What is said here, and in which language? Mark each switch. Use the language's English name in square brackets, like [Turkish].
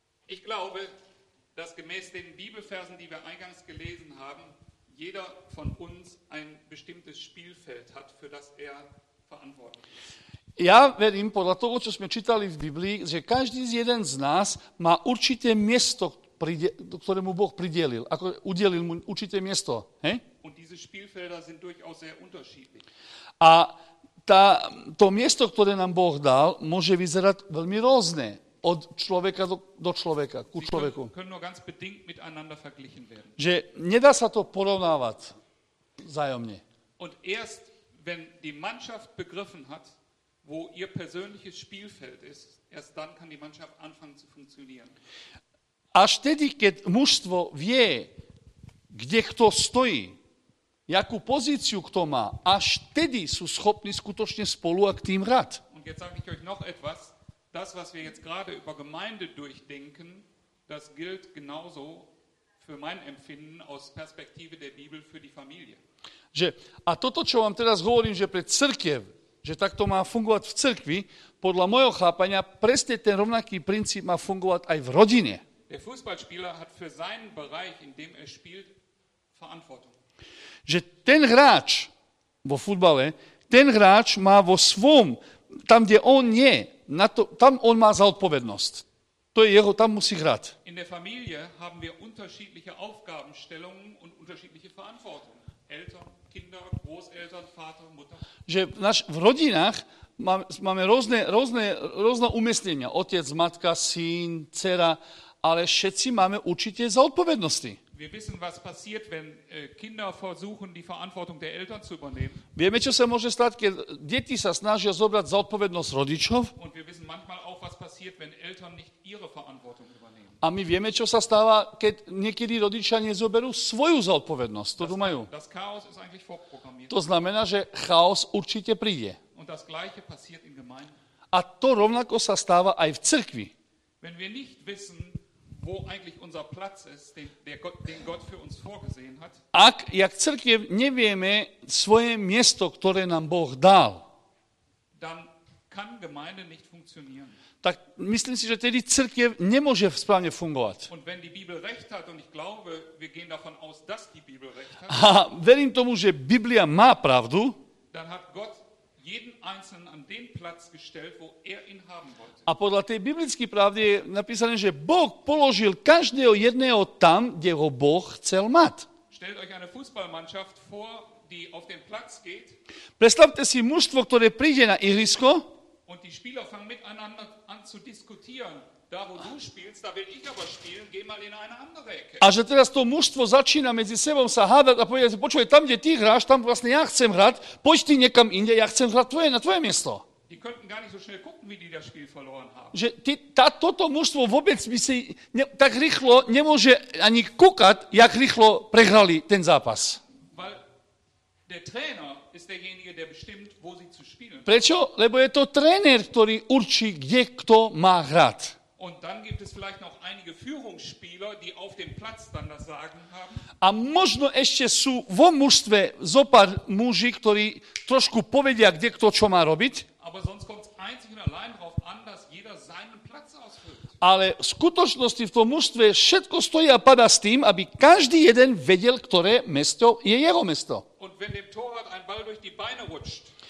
[German] Ich glaube, dass gemäß den Bibelversen, die wir eingangs gelesen haben, jeder von uns ein bestimmtes Spielfeld hat, für das er verantwortlich ist. [Slovak] Ja verím, podľa toho, čo sme čítali v Biblii, že každý z jeden z nás má určité miesto, ktoré mu Boh pridelil. Ako udelil mu určité miesto. He? [German] Und diese Spielfelder sind durchaus sehr unterschiedlich. [Slovak] A to miesto, ktoré nám Boh dal, môže vyzerať veľmi rôzne. Od človeka do človeka, ku človeku. [German] Können nur ganz bedingt miteinander verglichen werden. [Slovak] Že nedá sa to porovnávať vzájomne. [German] Und erst, wenn die Mannschaft begriffen hat, wo ihr persönliches Spielfeld ist, erst dann kann die Mannschaft anfangen zu funktionieren. [Slovak] Až tedy, keď mužstvo vie, kde kto stojí, jakú pozíciu kto má, až tedy sú schopní skutočne spolu a k tým hrať. [German] Und jetzt sage ich euch noch etwas, das was wir jetzt gerade über Gemeinde durchdenken, das gilt genauso für mein Empfinden aus Perspektive der Bibel für die Familie. [Slovak] Že, a toto, čo vám teraz hovorím, že pre cirkev, že takto má fungovať v cirkvi, podľa môjho chápania, presne ten rovnaký princíp má fungovať aj v rodine. [German] Der Fußballspieler hat für seinen Bereich, in dem er spielt, Verantwortung. [Slovak] Že ten hráč vo futbale, ten hráč má vo svom, tam, kde on nie, na to, tam on má zodpovednosť. To je jeho, tam musí hrať. [German] In der Familie haben wir unterschiedliche Aufgabenstellungen und unterschiedliche Verantwortung. Eltern, Kinder, Großeltern, Vater, Mutter. [Slovak] Že v rodinách máme rôzne umiestnenia. Otec, matka, syn, dcera. ale všetci máme určite zodpovednosti. [German] Wir wissen, was passiert, wenn Kinder versuchen, die Verantwortung der Eltern zu übernehmen. [Slovak] Vieme, čo sa môže stať, keď deti sa snažia zobrať zodpovednosť rodičov. [German] Und wir wissen manchmal auch, was passiert, wenn Eltern nicht ihre Verantwortung übernehmen. [Slovak] A my vieme, čo sa stáva, keď niekedy rodičia nezoberú svoju zodpovednosť, ktorú majú. [German] Das Chaos ist eigentlich vorprogrammiert. [Slovak] To znamená, že chaos určite príde. [German] Und das gleiche passiert in Gemeinden. [Slovak] A to rovnako sa stáva aj v cirkvi. [German] Wenn wir nicht wissen, wo eigentlich unser Platz ist, den Gott für uns vorgesehen hat. [Slovak] Ak, jak cirkev nevieme svoje miesto, ktoré nám Boh dal, [German] dann kann Gemeinde nicht funktionieren. [Slovak] Tak myslím si, že tedy cirkev nemôže správne fungovať. [German] Und wenn die Bibel recht hat, und ich glaube, wir gehen davon aus, dass die Bibel recht hat. [Slovak] A verím tomu, že Biblia má pravdu. [German] Dann hat Gott jeden einzelnen an den Platz gestellt, wo er ihn haben wollte. [Slovak] A podľa tej biblickej pravdy je napísané, že Boh položil každého jedného tam, kde ho Boh chcel mať. [German] Stellt euch eine Fußballmannschaft vor, die auf den Platz geht. [Slovak] Predstavte si mužstvo, ktoré príde na ihrisko. [German] Und die Spieler fangen miteinander an zu diskutieren. Da wo du spielst, da will ich aber spielen, geh mal in eine andere Ecke. [Slovak] A že teraz to mužstvo začína medzi sebou sa hádať a povie, počuj, tam, kde ty hráš, tam vlastne ja chcem hrať, poď ty niekam inde, ja chcem hrať tvoje, na tvoje miesto. [German] Die könnten gar nicht so schnell gucken, wie die das Spiel verloren haben. [Slovak] Že toto mužstvo vôbec by si tak rýchlo nemôže ani kúkať, jak rýchlo prehrali ten zápas. [German] Weil der Trainer ist derjenige, der bestimmt, wo sie zu spielen. [Slovak] Prečo? Lebo je to tréner, ktorý určí, kde kto má hrať. [German] Und dann gibt es vielleicht noch einige Führungsspieler, die auf dem Platz dann das Sagen haben. [Slovak] A možno ešte sú vo mužstve zopár muži, ktorí trošku povedia, kde kto čo má robiť. [German] Aber sonst kommt es einzig und allein darauf an, dass jeder seinen Platz ausfüllt. [Slovak] Ale v skutočnosti v tom mužstve všetko stojí a padá s tým, aby každý jeden vedel, ktoré mesto je jeho mesto. [German] Und wenn dem Torwart ein Ball durch die Beine rutscht,